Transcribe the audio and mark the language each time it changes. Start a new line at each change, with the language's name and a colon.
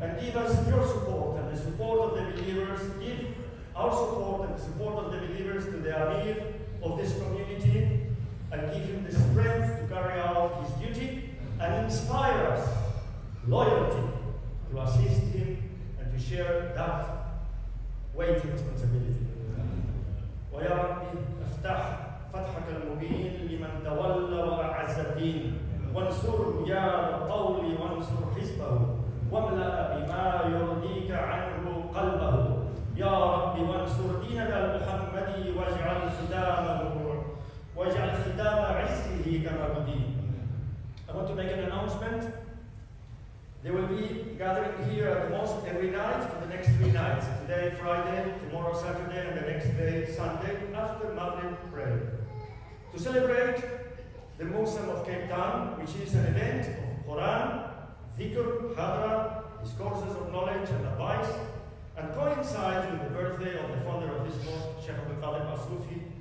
English: And give us your support and the support of the believers. Give our support and the support of the believers to the Amir of this community, and give him the strength to carry out his duty, and inspire us loyalty to assist him and to share that weighty responsibility.
Arabic: وَيَا رَبِّ افْتَحْ فَتْحَكَ الْمُبِينَ لِمَنْ تَوَلَّ وَأَعَزَّ الدِّينَ وَانْصُرْ يَا طَوْلِ وَانْصُرْ حِزْبَهُ وَامْلَأَ بِمَا يُرْضِيكَ عَنْهُ قَلْبَهُ يَا رَبِّ وَانْصُرْ دِينَكَ الْمُحَمَّدِي وَاجْعَلْ خِتَامَهُ وَاجْعَلْ خِتَامَ عِزِّهِ كَمَا بُدِينَ.
English: I want to make an announcement. There will be gathering here at the mosque every night for the next 3 nights. Today, Friday, tomorrow, Saturday, and the next day, Sunday, after Maghrib prayer. To celebrate the Muslim of Cape Town, which is an event of Quran, Dhikr, Hadra, discourses of knowledge and advice, and coincides with the birthday of the founder of this mosque, Sheikh Abu Qadir al-Sufi.